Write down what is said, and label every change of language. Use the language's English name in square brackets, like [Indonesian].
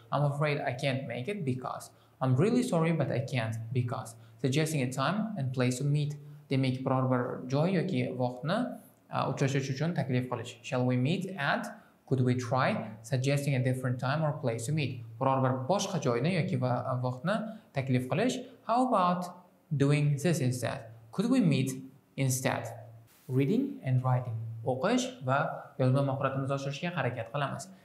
[English] I'm afraid I can't make it because. I'm really sorry but I can't because. Suggesting a time and place to meet. [Uzbek] Demak, biror bir joy yoki vaqtni uchrashish uchun taklif qilish. [English] Shall we meet at? Could we try? Suggesting a different time or place to meet. [Uzbek] Biror bir boshqa joyni yoki vaqtni taklif qilish. [English] How about doing this instead? Could we meet instead? Reading and writing. [Uzbek] O'qish va yozma mahoratimizni oshirishga harakat qilamiz.